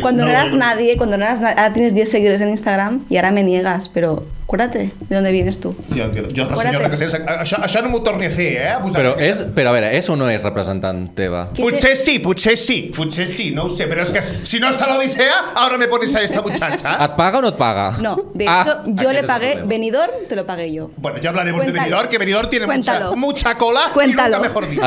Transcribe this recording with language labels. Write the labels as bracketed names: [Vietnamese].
[Spanish] Cuando no eras nadie, ahora tienes 10 seguidores en Instagram y ahora me niegas, pero... Acuérdate de dónde vienes tú. Yo señora, [Catalan] que això no m'ho torni a fer, eh? Però a veure, és o no és representant teva? Potser sí, potser sí, potser sí, no ho sé, però és que si no està l'Odissea, ara [Spanish] me pones a esta muchacha. [Catalan] Et paga o no et paga? [Spanish] No, de hecho, yo le pagué Benidorm, te lo pagué yo. Bueno, ya hablaremos de Benidorm, que Benidorm tiene mucha cola y nunca mejor dicho.